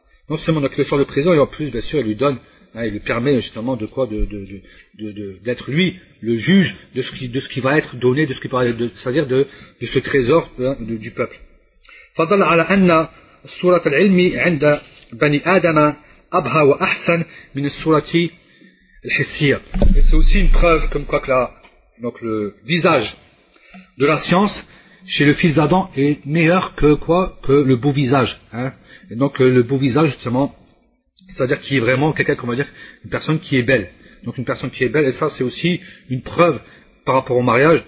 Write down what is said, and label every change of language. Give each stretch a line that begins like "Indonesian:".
French: Non seulement, donc, il le sort de prison, et en plus, bien sûr, il lui donne, hein, il lui permet justement de quoi, d'être lui le juge de ce qui va être donné, de ce qui va être, c'est-à-dire de ce trésor du peuple.
Arabic: فضل على أن سورة العلم عند بني آدم أبهى وأحسن من السورة الحسية.
French: Et c'est aussi une preuve comme quoi que le visage de la science chez le fils d'Adam est meilleur que quoi, que le beau visage, hein. Et donc le beau visage justement, c'est-à-dire qu'il est vraiment quelqu'un, comment dire, une personne qui est belle. Donc une personne qui est belle, et ça c'est aussi une preuve par rapport au mariage.